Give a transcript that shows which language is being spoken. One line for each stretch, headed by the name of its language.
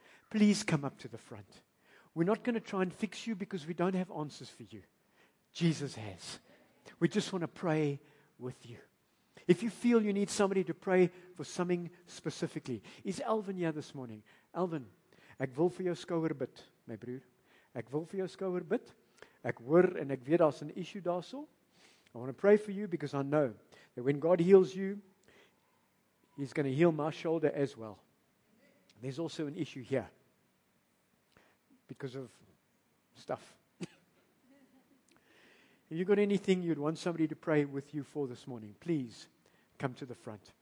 English: Please come up to the front. We're not going to try and fix you because we don't have answers for you. Jesus has. We just want to pray with you. If you feel you need somebody to pray for something specifically, is Alvin here this morning?
Afrikaans: Alvin, ek wil vir jou skouer bid, my broer. Ek wil vir jou skouer bid. Ek hoor en ek weet daar's 'n issue daarso.
English: I want to pray for you because I know that when God heals you, He's going to heal my shoulder as well. There's also an issue here because of stuff. If you've got anything you'd want somebody to pray with you for this morning, please come to the front.